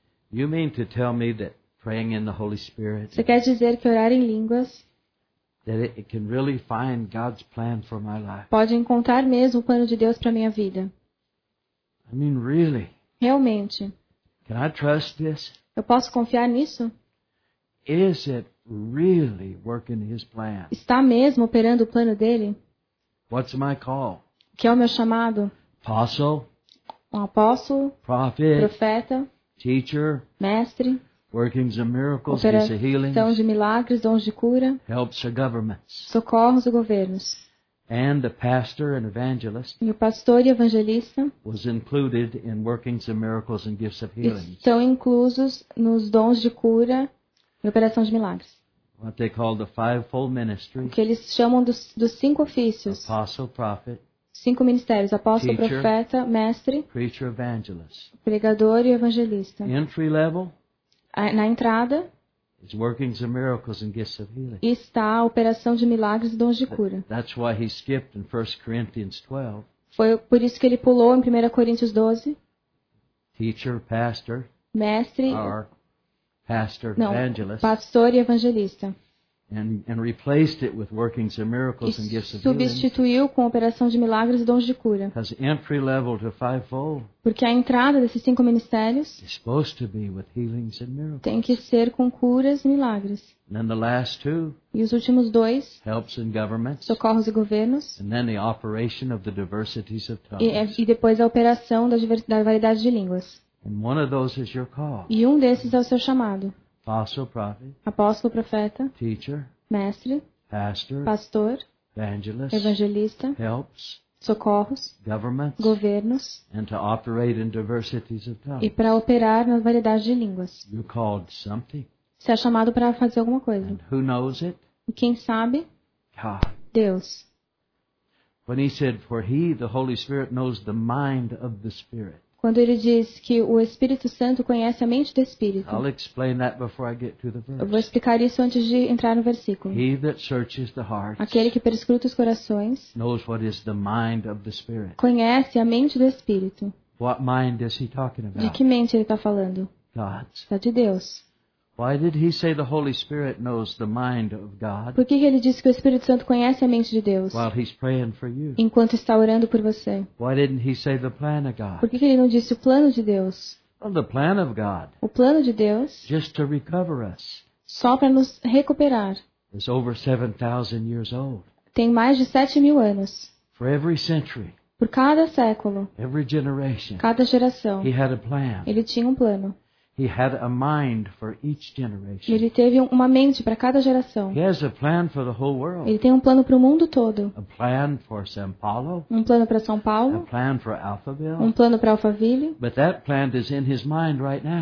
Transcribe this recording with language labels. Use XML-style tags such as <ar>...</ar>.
<en>You mean to tell me that praying in the Holy Spirit.</en> <pt>Você quer dizer que orar em línguas.</pt> <en>That it can really find God's plan for my life.</en> <pt>Pode encontrar mesmo o plano de Deus para minha vida.</pt> <en>I mean really.</en> <pt>Realmente.</pt> <en>Can I trust this?</en> <pt>Eu posso confiar nisso?</pt> <en>Is it really working his plan?</en> <pt>Está mesmo operando o plano dele?</pt> <en>What's my call?</en> <pt>Que é o meu chamado?</pt> <en>Apostle?</en> <pt>Um apóstolo?</pt> <en>Prophet?</en> <pt>Profeta?</pt> <en>Teacher?</en> <pt>Mestre?</pt> <en>Workings of miracles, gifts of healings?</en> <pt>Operação de milagres, dons de cura?</pt> <en>Helps the governments?</en> <pt>Socorros e governos?</pt> <en>And the pastor and evangelist.</en> <pt>E o pastor e evangelista.</pt> <en>Was included in workings of miracles and gifts of healing.</en> <pt>Estão inclusos nos dons de cura e operação de milagres.</pt> <en>What they call the fivefold ministry.</en> <pt>O que eles chamam dos cinco ofícios.</pt> <en>Apostle, prophet.</en> <pt>Cinco ministérios: apóstolo,</pt> <en>teacher,</en> <pt>profeta, mestre.</pt> <en>Preacher, evangelist.</en> <pt>Pregador e evangelista.</pt> <en>Entry level.</en> <pt>Na entrada.</pt> <en>It's workings of miracles and gifts of healing.</en> <pt>Está a operação de milagres e dons de cura.</pt> <en>That's why he skipped in 1 Corinthians 12.</en> <pt>Foi por isso que ele pulou em 1 Coríntios 12.</pt> <en>Teacher, pastor.</en> <pt>Mestre.</pt> <en>Or pastor,</en> <pt>não,</pt> <en>evangelist.</en> <pt>Pastor e evangelista.</pt> <en>and replaced it with workings of miracles and gifts of healing.</en> <pt>Substituiu com operação de milagres e dons de cura.</pt> <en>Has entry level to fivefold.</en> <pt>Porque a entrada desses cinco ministérios</pt> <en>is supposed to be with healings and miracles.</en> <pt>Tem que ser com curas e milagres.</pt> <en>And then the last two.</en> <pt>E os últimos dois.</pt> <en>Helps and governments.</en> <pt>Socorros e governos.</pt> <en>And then the operation of the diversities of tongues.</en> <pt>E depois a operação da variedade de línguas.</pt> <en>And one of those is your call.</en> <pt>E um desses é o seu chamado.</pt> <en>Apostle, prophet,</en> <pt>apóstolo, profeta,</pt> <en>teacher,</en> <pt>mestre,</pt> <en>pastor,</en> <pt>pastor,</pt> <en>evangelist,</en> <pt>evangelista,</pt> <en>helps,</en> <pt>socorros,</pt> <en>governments,</en> <pt>governos,</pt> <en>and to operate in diversities of tongues.</en> <pt>E para operar na variedade de línguas.</pt> <en>You're called something.</en> <pt>Você é chamado para fazer alguma coisa.</pt> <en>And who knows it?</en> <pt>E quem sabe?</pt> <en>God.</en> <pt>Deus.</pt> <en>When he said, "For he, the Holy Spirit, knows the mind of the Spirit."</en> <pt>Quando ele diz que o Espírito Santo conhece a mente do Espírito.</pt> <en>I'll explain that before I get to the verse.</en> <pt>Eu vou explicar isso antes de entrar no versículo.</pt> <en>He that searches the hearts,</en> <pt>aquele que perscruta os corações,</pt> <en>knows what is the mind of the Spirit.</en> <pt>Conhece a mente do Espírito.</pt> <en>What mind is he talking about?</en> <pt>De que mente ele está falando?</pt> <en>God's.</en> <pt>Está de Deus.</pt> <en>Why did he say the Holy Spirit knows the mind of God?</en> <pt>Por que ele disse que o Espírito Santo conhece a mente de Deus?</pt> <en>While he's praying for you.</en> <pt>Enquanto está orando por você.</pt> <en>Why didn't he say the plan of God?</en> <pt>Por que ele não disse o plano de Deus?</pt> <en>Well, the plan of God.</en> <pt>O plano de Deus.</pt> <en>Just to recover us.</en> <pt>Só para nos recuperar.</pt> <en>It's over 7,000 years old.</en> <pt>Tem mais de 7,000 anos.</pt> <en>For every century.</en> <pt>Por cada século.</pt> <en>Every generation.</en> <pt>Cada geração.</pt> <en>He had a plan.</en> <pt>Ele tinha um plano.</pt> <en>He had a mind for each generation.</en> <pt>Ele teve uma mente para cada geração.</pt> <en>He has a plan for the whole world.</en> <pt>Ele tem um plano para o mundo todo.</pt> <en>A plan for São Paulo.</en> <pt>Um plano para São Paulo.</pt> <en>A plan for Alphaville.</en> <pt>Um plano para Alphaville.</pt> <en>But that plan is in his mind right now.</en>